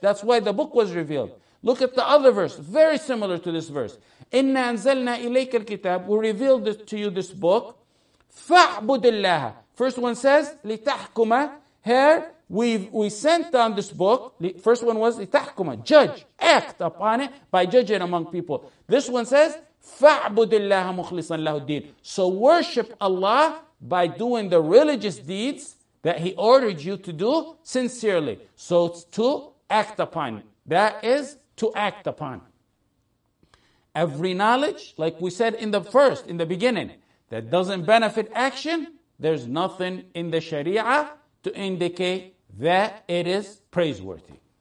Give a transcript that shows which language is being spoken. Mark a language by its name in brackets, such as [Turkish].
[English] That's why the book was revealed. Look at the other verse, very similar to this verse. [Arabic] إِنَّا أَنزَلْنَا إِلَيْكَ الْكِتَابِ, [English] we revealed it to you, this book. [Arabic] فَاعْبُدِ اللَّهَ. [English] First one says, لِتَحْكُمَ. Here, we sent down this book. First one was, لِتَحْكُمَ. Judge, act upon it by judging among people. This one says, [Arabic] فَاعْبُدِ اللَّهَ مُخْلِصًا لَهُ الدِّينِ. [English] So worship Allah by doing the religious deeds that He ordered you to do sincerely. So it's to act upon it. That is to act upon. Every knowledge, like we said in the first, in the beginning, that doesn't benefit action, there's nothing in the Sharia to indicate that it is praiseworthy.